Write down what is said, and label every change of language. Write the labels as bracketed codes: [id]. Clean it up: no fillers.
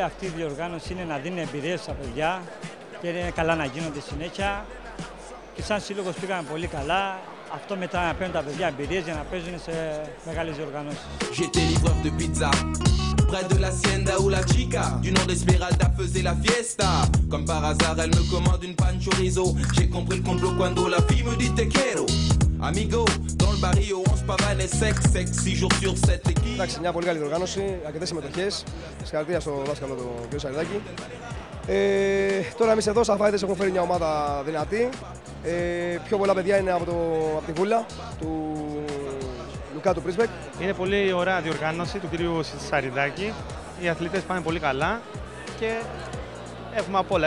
[el] Αυτή η διοργάνωση είναι να δίνει εμπειρίες στα παιδιά και είναι καλά να γίνονται συνέχεια. Και σαν σύλλογος πήγαμε πολύ καλά. Αυτό μετά να παίρνουν τα παιδιά εμπειρίες για να παίζουν σε μεγάλες διοργανώσεις. [fr] Près de l'hacienda où la chica du nom d'Esmeralda faisait la fiesta. Comme par hasard, elle me commande une pan chorizo. J'ai compris le complot [es] cuando [fr] la fille me dit [es] te quiero. [fr] Amigo, dans le barrio, on se pavane sec, sec, 6 jours sur 7. [el] Εντάξει, μια πολύ καλή οργάνωση, αρκετές συμμετοχές. Συγχαρητήρια στο δάσκαλο του κ. Σαριδάκη. Τώρα εμείς εδώ, σαν φάιτες, έχουμε φέρει μια ομάδα δυνατή. Πιο πολλά παιδιά είναι από τη Βούλα του Κάτω, είναι πολύ ωραία διοργάνωση του κυρίου Σαριδάκη. Οι αθλητές πάνε πολύ καλά και έχουμε απ' όλα.